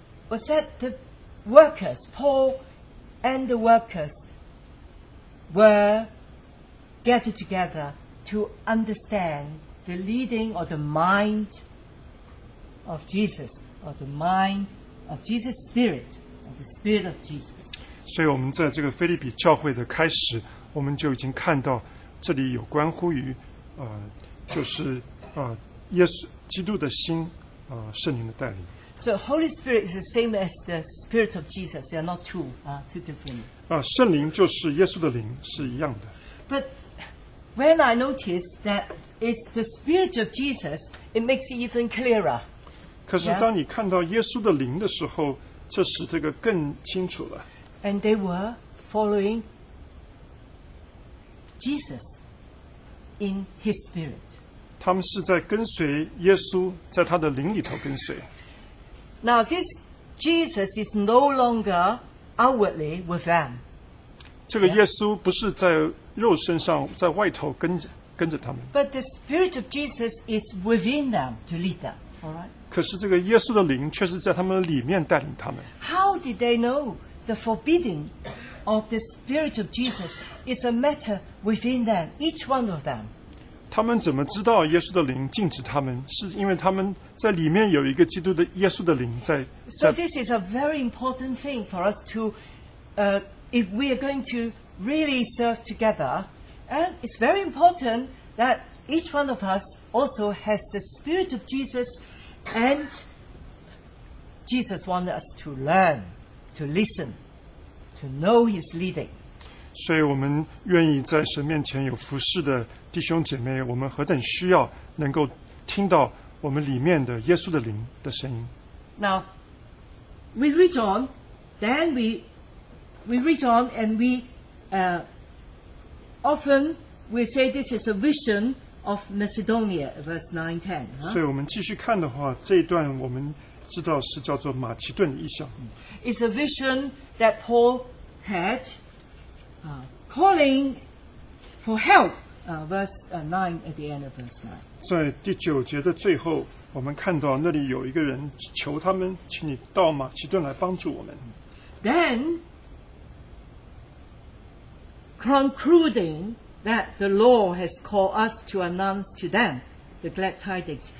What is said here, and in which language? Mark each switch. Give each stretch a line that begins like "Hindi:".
English: Was that the workers, Paul and the workers, were gathered together to understand the leading or the mind of Jesus, or the mind of Jesus' Spirit, or the Spirit of Jesus.
Chinese: 所以我们在这个腓立比教会的开始, 我们就已经看到这里有关乎于, 就是, 耶稣基督的心, 圣灵的带领。
English: So Holy Spirit is the same as the Spirit of Jesus. They are not two different.
Chinese: 圣灵就是耶稣的灵, 是一样的。
English: But when I notice that it's the Spirit of Jesus, it makes it even clearer.
Chinese: 可是当你看到耶稣的灵的时候, 这使这个更清楚了。
English: And they were following Jesus in His Spirit.
Chinese: 他们是在跟随耶稣在他的灵里头跟随。
English: Now this Jesus is no longer outwardly with them.
Chinese: 这个耶稣不是在肉身上，在外头跟着跟着他们。
English: But the Spirit of Jesus is within them to lead them. All right.
Chinese: 可是这个耶稣的灵却是在他们里面带领他们。
English: How did they know the forbidding of the Spirit of Jesus is a matter within them, each one of them?
Chinese: 他们怎么知道耶稣的灵禁止他们？是因为他们在里面有一个基督的耶稣的灵在。
English: So this is a very important thing for us to, if we are going to really serve together, and it's very important that each one of us also has the Spirit of Jesus, and Jesus wants us to learn, to listen, to know His leading.
Chinese: 所以我们愿意在神面前有服侍的弟兄姐妹，我们何等需要能够听到我们里面的耶稣的灵的声音。
English: Now, we read on, then we read on, and we often we say this is a vision of Macedonia, verse 9-10.
Chinese: 所以我们继续看的话，这一段我们知道是叫做马其顿的意象。
English: It's a vision that Paul had. Calling for help, verse 9 at the end of verse 9.
Chinese: 在第九节的最后，我们看到那里有一个人求他们，请你到马其顿来帮助我们。
English: Then, concluding that the Lord has called us to announce to them the glad tidings.